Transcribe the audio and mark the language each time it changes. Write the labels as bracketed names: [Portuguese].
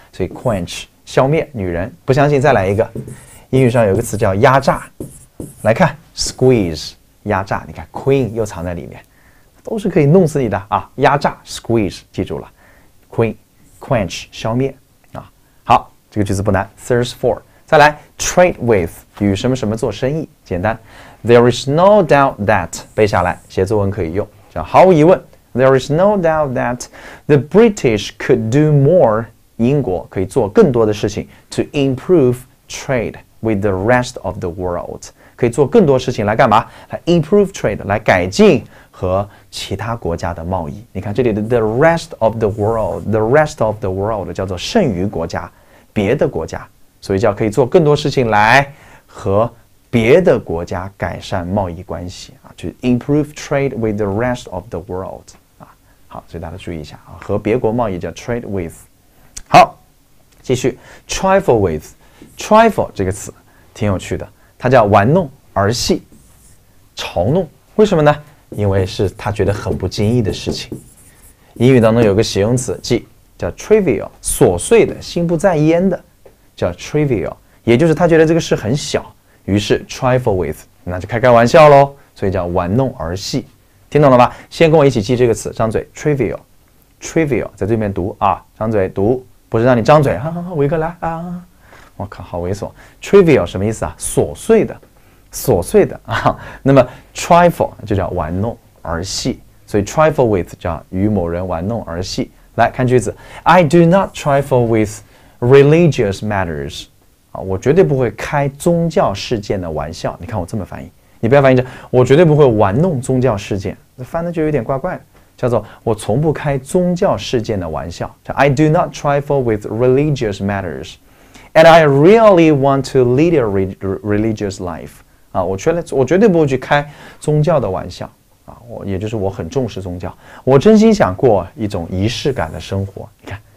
[Chinese] 所以 quench 消灭女人，不相信再来一个。英语上有个词叫压榨，来看 squeeze 压榨，你看 queen 又藏在里面，都是可以弄死你的啊！压榨 squeeze 记住了 ，queen quench 消灭啊！好，这个句子不难 ，thirst for。再来 ，trade with 与什么什么做生意，简单。 [English] There is no doubt that [Chinese] 背下来，写作文可以用，叫毫无疑问。 [English] There is no doubt that the British could do more [Chinese] 英国可以做更多的事情 [English] to improve trade with the rest of the world [Chinese] 可以做更多事情来干嘛？来 improve trade 来改进和其他国家的贸易。你看这里的 [English] the rest of the world， [Chinese] the rest of the world 叫做剩余国家，别的国家。所以叫可以做更多事情来和别的国家改善贸易关系啊，去 [English] improve trade with the rest of the world [Chinese] 啊。好，所以大家注意一下啊，和别国贸易叫 trade with。好，继续 trifle with， trifle 这个词挺有趣的，它叫玩弄、儿戏、嘲弄。为什么呢？因为是他觉得很不经意的事情。英语当中有个形容词叫 trivial， 琐碎的、心不在焉的。叫 trivial， 也就是他觉得这个事很小，于是 trifle with， 那就开开玩笑咯，所以叫玩弄儿戏，听懂了吧？先跟我一起记这个词，张嘴 trivial， trivial 在对面读啊，张嘴读，不是让你张嘴啊，维哥来啊，我靠，好猥琐， trivial 什么意思啊？琐碎的，琐碎的啊。那么 trifle 就叫玩弄儿戏，所以 trifle with 叫与某人玩弄儿戏。 [English] 来看句子 ，I do not trifle with。 Religious matters， [Chinese] 啊，我绝对不会开宗教事件的玩笑。你看我这么翻译，你不要翻译成我绝对不会玩弄宗教事件，翻的就有点怪怪的。叫做我从不开宗教事件的玩笑，叫 [English] I do not trifle with religious matters， and I really want to lead a religious life， [Chinese] 啊，我绝对不会去开宗教的玩笑，啊，我也就是我很重视宗教，我真心想过一种仪式感的生活。你看。